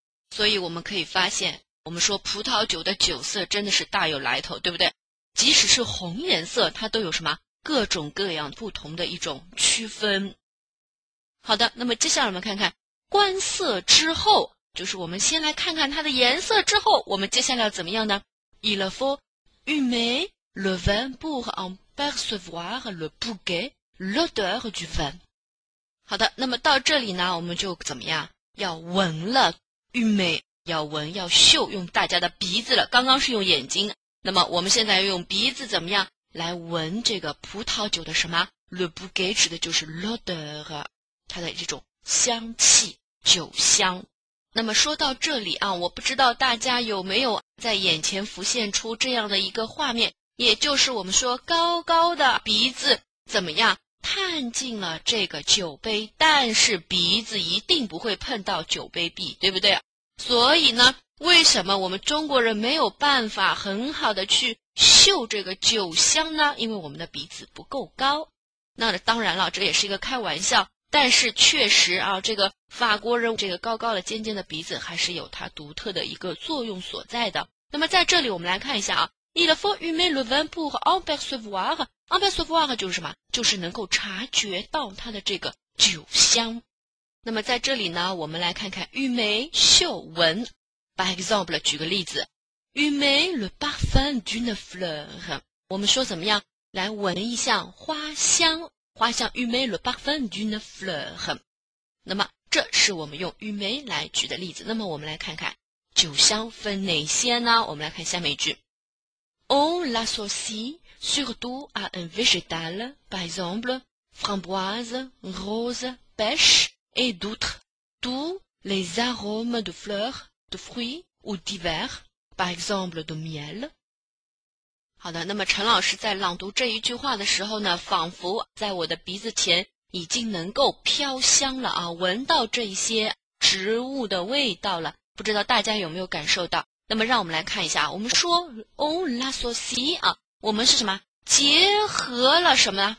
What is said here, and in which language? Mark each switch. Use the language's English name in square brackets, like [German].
[Chinese] 所以我们可以发现，我们说葡萄酒的酒色真的是大有来头，对不对？即使是红颜色，它都有什么各种各样不同的一种区分。好的，那么接下来我们看看观色之后，就是我们先来看看它的颜色之后，我们接下来要怎么样呢？ [French] Il faut humer le vin pour en percevoir le bouquet, l'odeur du vin. [Chinese] 好的，那么到这里呢，我们就怎么样？要闻了，humer，要闻，要嗅，用大家的鼻子了。刚刚是用眼睛，那么我们现在要用鼻子怎么样？来闻这个葡萄酒的什么 ？ [French] Le bouquet [Chinese] 指的就是 l'odeur， 它的这种香气，酒香。那么说到这里啊，我不知道大家有没有在眼前浮现出这样的一个画面，也就是我们说高高的鼻子怎么样探进了这个酒杯，但是鼻子一定不会碰到酒杯壁，对不对？所以呢，为什么我们中国人没有办法很好的去嗅这个酒香呢？因为我们的鼻子不够高。那当然了，这也是一个开玩笑，但是确实啊，这个法国人这个高高的尖尖的鼻子还是有它独特的一个作用所在的。那么在这里我们来看一下啊， [French] Il faut humer le vin pour en percevoir， [Chinese] en percevoir 就是什么？就是能够察觉到它的这个酒香。那么在这里呢，我们来看看 humer 嗅闻。 [English] By example， [Chinese] 举个例子， humer le parfum d'une fleur， 我们说怎么样？来闻一下花香，花香 [French] humer le parfum d'une fleur。 [Chinese] 那么这是我们用 humer 来举的例子。那么我们来看看酒香分哪些呢？我们来看下面一句， [French] On l'associe surtout à un végétal， par exemple framboise, rose, pêche et d'autres. Tous les arômes de fleurs, de fruits ou d'hiver, par exemple de miel。 [Chinese] 好的，那么陈老师在朗读这一句话的时候呢，仿佛在我的鼻子前已经能够飘香了啊，闻到这一些植物的味道了，不知道大家有没有感受到。那么让我们来看一下，我们说 on l'associe 啊，我们是什么结合了什么呢？